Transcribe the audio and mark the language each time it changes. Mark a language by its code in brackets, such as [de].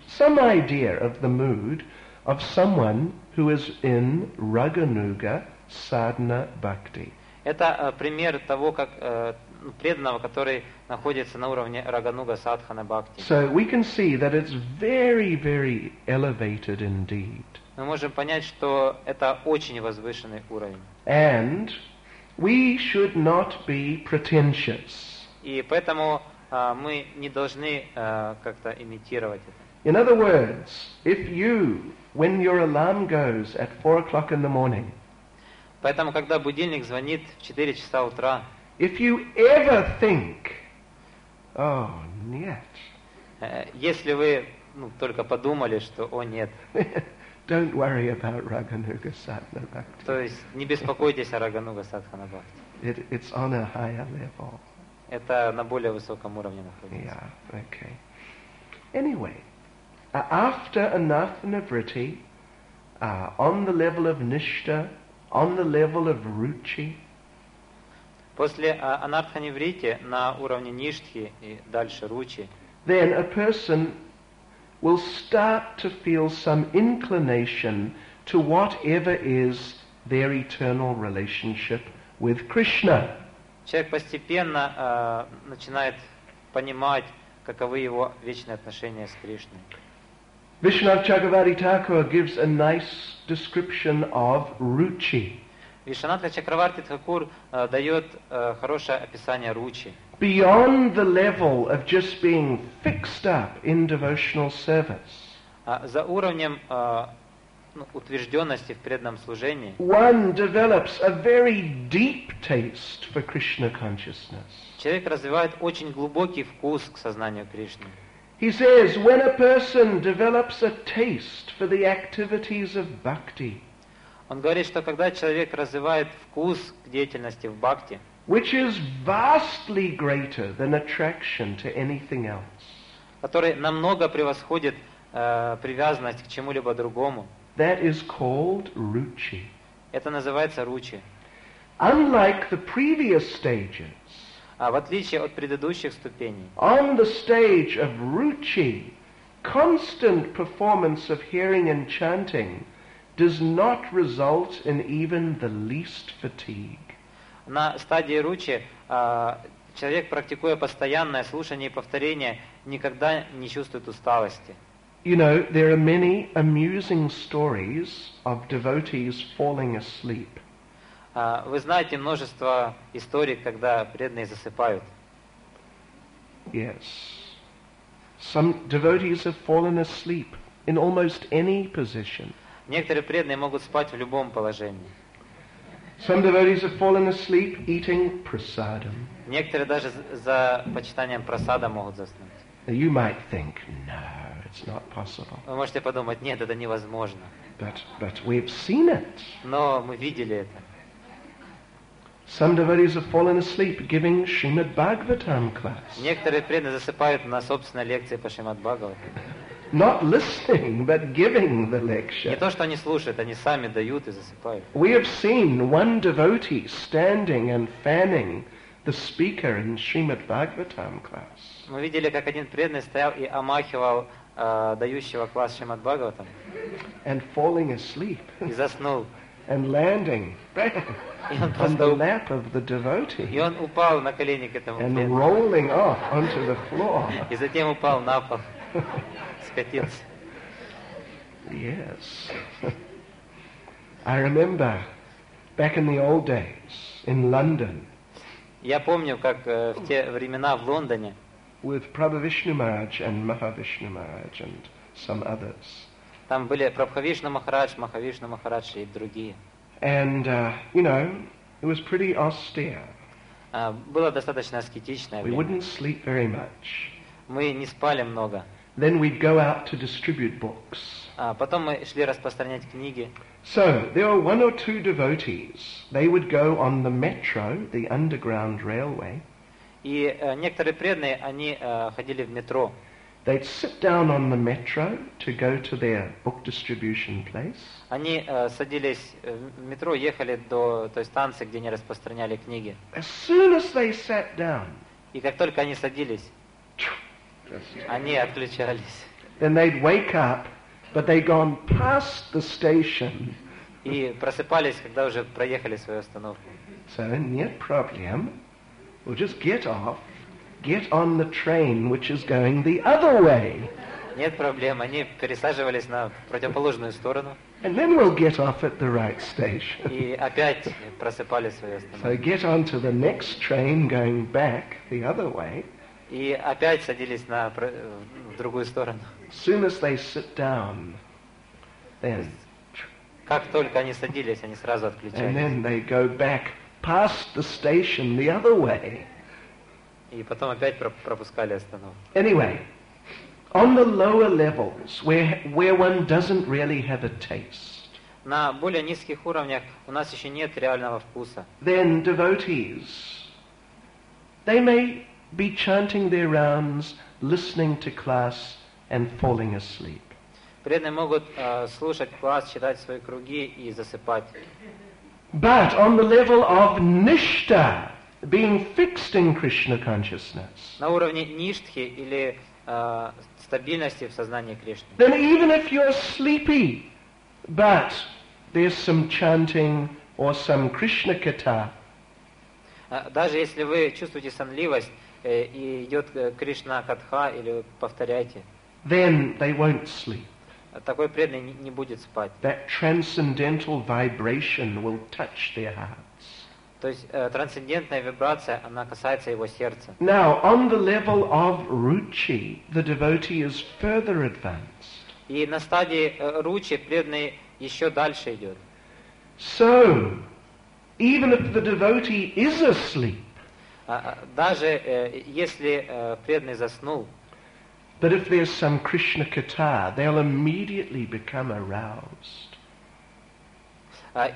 [en] Some idea of the mood of someone who is in Raganuga Sadhana Bhakti. [ru] Это пример того, как преданного, который находится на уровне Рагануга Садхана Бхакти. [en] So we can see that it's very, very elevated indeed. [ru] Мы можем понять, что это очень возвышенный уровень. [en] And we should not be pretentious. [ru] И поэтому мы не должны как-то имитировать это. [en] In other words, if you, when your alarm goes at 4 o'clock in the morning, [ru] поэтому, когда будильник звонит в 4 часа утра, [en] if you ever think, oh, нет, [ru] если вы только подумали, что, о, нет, [en] don't worry about Raghunuga Sadhana Bhakti. [ru] То есть не беспокойтесь о Рагануга Садхана Бхакти. [en] It's on a higher level. [ru] Это на более высоком уровне находится. [en] Yeah, okay. Anyway, after Anathanavritti, on the level of Nishta, on the level of Ruchi, [ru] После анартханиврити на уровне ништхи и дальше ручи. [en] Then a person will start to feel some inclination to whatever is their eternal relationship with Krishna. [ru] Человек постепенно начинает понимать, каковы его вечные отношения с Кришной. [en] Vishnu Chakravarti Thakur gives a nice description of ruchi. [ru] Vishwanatha Chakravarti Thakur дает хорошее описание ручи. [en] Beyond the level of just being fixed up in devotional service. [ru] За уровнем утвержденности в преданном служении. [en] One develops a very deep taste for Krishna consciousness. [ru] Человек развивает очень глубокий вкус к сознанию Кришны. [en] He says, when a person develops a taste for the activities of bhakti. [ru] Он говорит, что когда человек развивает вкус к деятельности в бхакти, [en] which is vastly greater than attraction to anything else. [ru] Который намного превосходит привязанность к чему-либо другому. [en] That is called ruchi. [ru] Это называется ruchi. [en] Unlike the previous stages. [ru] А в отличие от предыдущих ступеней. [en] On the stage of ruchi, constant performance of hearing and chanting does not result in even the least fatigue. [ru] На стадии ruchi человек, практикуя постоянное слушание и повторение, никогда не чувствует усталости. [en] You know, there are many amusing stories of devotees falling asleep. [ru] Вы знаете множество историй, когда преданные засыпают. [en] Yes. Some devotees have fallen asleep in almost any position. [ru] Некоторые преданные могут спать в любом положении. [en] Some devotees have fallen asleep eating prasadam. [ru] Некоторые даже за почитанием прасада могут заснуть. [en] You might think, no. It's not possible. [ru] Вы можете подумать, нет, это невозможно. [en] But we've seen it. [ru] Но мы видели это. [en] Some devotees have fallen asleep giving Shrimad Bhagavatam class. [ru] Некоторые преданные засыпают на собственной лекции по Шримад Бхагаватам. [en] Not listening, but giving the lecture. [ru] Не то, что они слушают, они сами дают и засыпают. [en] We have seen one devotee standing and fanning the speaker in Shrimad Bhagavatam class. [ru] Мы видели, как один преданный стоял и омахивал дающего класс Шримад Бхагаватам. [en] And falling asleep. [ru] И заснул. [en] And landing. Bam, on the lap of the devotee. [ru] И он упал на колени к этому. [en] And rolling off onto the floor. [ru] И затем упал на пол. Скатился. [en] Yes. I remember back in the old days in London. [ru] Я помню, как в те времена в Лондоне. [en] With Prabhavishnu Maharaj and Mahavishnu Maharaj and some others. [ru] Там были Прабхавишну Махарадж, Махавишну Махарадж и другие. [en] And you know, it was pretty austere. [ru] Было достаточно аскетичное время. [en] We wouldn't sleep very much. [ru] Мы не спали много. [en] Then we'd go out to distribute books. [ru] Потом мы шли распространять книги. [en] So there were one or two devotees. They would go on the metro, the underground railway. [ru] И некоторые преданные, они ходили в метро. [en] They'd sit down on the metro to go to their book distribution place. [ru] Они садились в метро, ехали до той станции, где они распространяли книги. [en] As soon as they sat down. [ru] И как только они садились, они отключались. [en] Then they'd wake up, but they'd gone past the station. [ru] И просыпались, когда уже проехали свою остановку. So нет проблем. [en] We'll just get off, get on the train, which is going the other way. [ru] Нет проблем. Они пересаживались на противоположную сторону. [en] And then we'll get off at the right station. [ru] И опять просыпали свою остановку. [en] So get onto the next train going back the other way. [ru] И опять садились на в другую сторону. [en] Soon as they sit down, then. [ru] Как только они садились, они сразу отключались. [en] And then they go back. Past the station the other way. [ru] И потом опять пропускали остановку. [en] Anyway, on the lower levels, where one doesn't really have a taste. [ru] На более низких уровнях у нас еще нет реального вкуса. [en] Then devotees, they may be chanting their rounds, listening to class, and falling asleep. [ru] Преданные могут слушать класс, читать свои круги и засыпать. [en] But on the level of nishta, being fixed in Krishna consciousness, [ru] на уровне ништхи или стабильности в сознании Кришны, [en] then even if you're sleepy, but there's some chanting or some Krishna katha, [ru] даже если вы чувствуете сонливость и идет Кришна катха или повторяете, [en] then they won't sleep. [ru] Такой преданный не будет спать. [en] That transcendental vibration will touch their hearts. [ru] То есть трансцендентная вибрация, она касается его сердца. [en] Now, on the level of ruchi, the devotee is further advanced. [ru] И на стадии ручи преданный еще дальше идет. [en] So, even if the devotee is asleep, [ru] даже если преданный заснул, [en] but if there's some Krishna katha, they'll immediately become aroused.